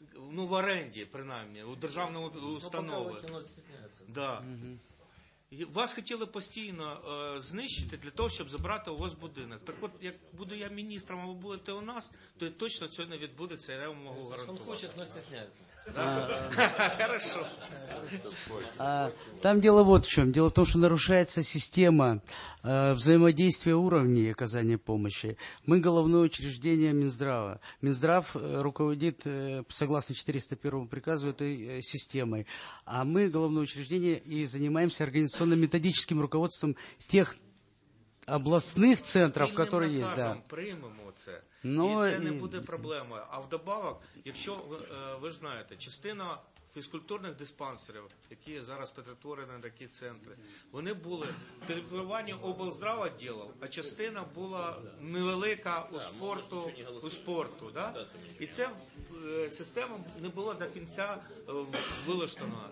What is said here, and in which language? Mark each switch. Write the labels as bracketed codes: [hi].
[uk] Ну, в оренді, принаймні, у державному установі. [ru] Да. Угу. [uk] Вас хотіли постійно знищити для того, щоб забрати у вас будинок. Так от, як буду я міністром, або будете у нас, то точно цього не відбудеться, я вам можу гарантувати. Він хоче, але стесняється. [ru] Там дело вот в чем. Дело в том, что нарушается система взаимодействия уровней оказания помощи. Мы головное учреждение Минздрава. Минздрав руководит, согласно 401 приказу, этой системой. А мы головное учреждение и занимаемся организационно-методическим руководством тех областных центров, которые есть. Да. Но... И это не будет проблемой. А вдобавок, если вы же знаете, [uk] частина фізкультурних диспансерів, які зараз перетворені на такі центри, вони були перебування облздрава діла, а частина була невелика у спорту. Да? І ця система не була до кінця вилаштована.